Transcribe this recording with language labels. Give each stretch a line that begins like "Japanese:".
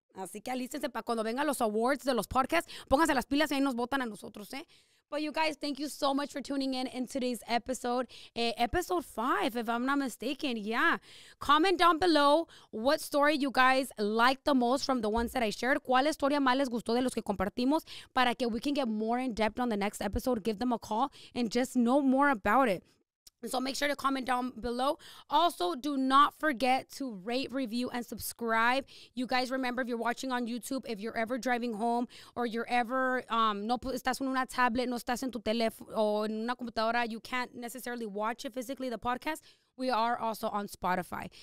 Spanish: Así que alístense para cuando vengan los awards de los podcasts, pónganse las pilas y ahí nos votan a nosotros, ¿eh?
English: But you guys, thank you so much for tuning in today's episode. Episode 5, if I'm not mistaken, yeah. Comment down below what story you guys liked the most from the ones that I shared.
Spanish: ¿Cuál historia más les gustó de los que compartimos? Para que
English: we can get more in depth on the next episode, give them a call, and just know more about it. So make sure to comment down below. Also, do not forget to rate, review, and subscribe. You guys remember, if you're watching on YouTube, if you're ever driving home or you're ever,
Spanish: no estás en una tablet, no estás en tu teléfono o en una computadora,
English: you can't necessarily watch it physically, the podcast, we are also on Spotify.